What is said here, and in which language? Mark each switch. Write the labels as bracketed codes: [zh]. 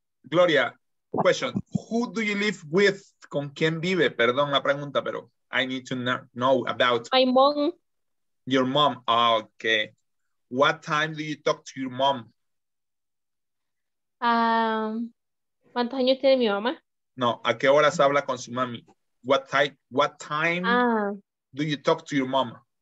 [en] Gloria. Question, who do you live with? [es] ¿Con quién vive? Perdón la pregunta, pero [en] I need to know about. My mom. Your mom, oh, okay. What time do you talk to your mom? [es] ¿Cuántos años tiene mi mamá? No, ¿a qué horas habla con su mami? [en] What time do you talk to your mom?